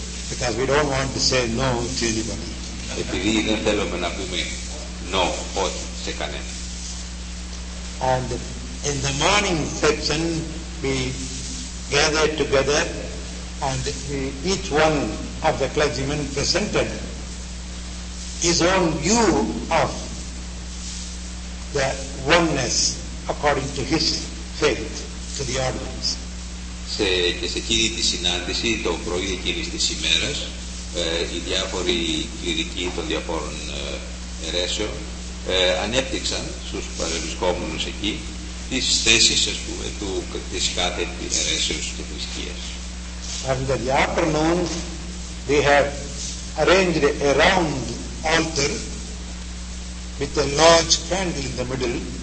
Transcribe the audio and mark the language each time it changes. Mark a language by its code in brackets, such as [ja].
[en] Because we don't want to say no to anybody. [el] Επειδή δεν θέλουμε να πούμε no, όχι, σε κανένα. [en] And in the morning section we gathered together and each one of the clergymen presented his own view of the oneness according to his faith to the audience. [el] Και σε εκείνη τη συνάντηση, το πρωί εκείνης της ημέρας, οι διάφοροι κληρικοί των διαφόρων αιρέσεων ανέπτυξαν στους παρευρισκόμενους εκεί τις θέσεις, ας πούμε, της κάθε αιρέσεως και θρησκείας. [en] And the afternoon, they have arranged a round altar with a large candle in the middle.